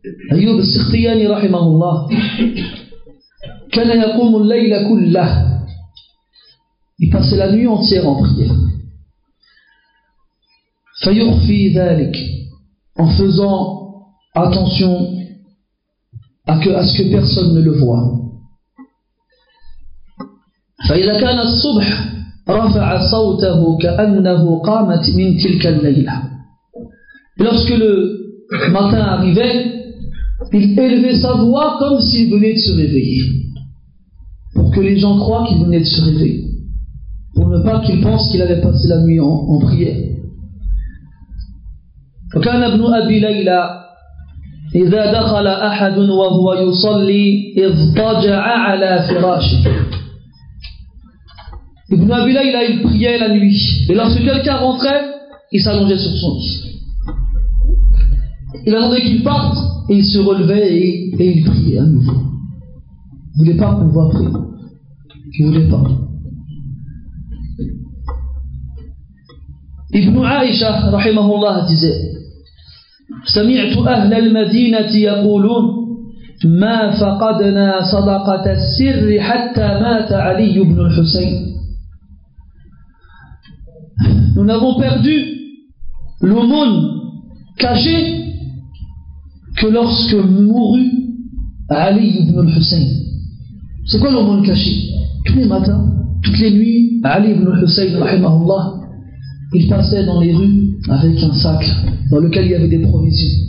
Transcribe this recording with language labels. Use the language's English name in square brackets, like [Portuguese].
[French] Ayyub al-Sikhtiyani rahimahullah, [Arabic] كان يقوم الليل كله, [French] il passait la nuit entière en prière. [Arabic] فيخفي ذلك, [French] en faisant attention à ce que personne ne le voit. [Arabic] فإذا كان الصبح رفع صوته كأنه قامت من تلك الليلة. [French] Lorsque le matin arrivait, il élevait sa voix comme s'il venait de se réveiller. pour que les gens croient qu'il venait de se réveiller, pour ne pas qu'ils pensent qu'il avait passé la nuit en prière. [Arabic] وكان ابن أبي ليلى إذا دخل أحد وهو يصلي اضطجع على فراشه. [French] Ibn Abi Layla, il priait la nuit. Et lorsque quelqu'un rentrait, il s'allongeait sur son lit. Il attendait qu'il parte et il se relevait et il priait à nouveau. Il ne voulait pas pouvoir prier. Il ne voulait pas. [Arabic] Ibn Aisha, rahimahullah, disait: سمعت أهل المدينة يقولون ما فقدنا صدقة السر حتى مات علي بن الحسين. [French] Nous n'avons perdu l'aumône caché que lorsque mourut Ali ibn al-Hussein. C'est quoi l'aumône caché? Tous les matins, toutes les nuits, Ali ibn al-Hussein, rahimahullah, il passait dans les rues avec un sac dans lequel il y avait des provisions.